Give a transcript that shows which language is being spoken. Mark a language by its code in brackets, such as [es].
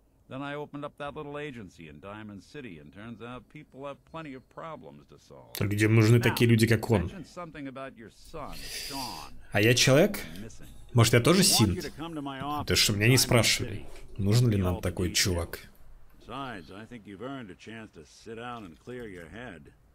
[en] Then I opened up that little agency in Diamond City, and turns out people have plenty of problems to solve. [ru] Так где нужны такие люди, как он? [en] Mention something about your son, Sean. [ru] А я человек? Может, я тоже синт? Это что, меня не спрашивали? Нужен ли нам такой чувак? [en] Besides, I think you've earned a chance to sit down and clear your head.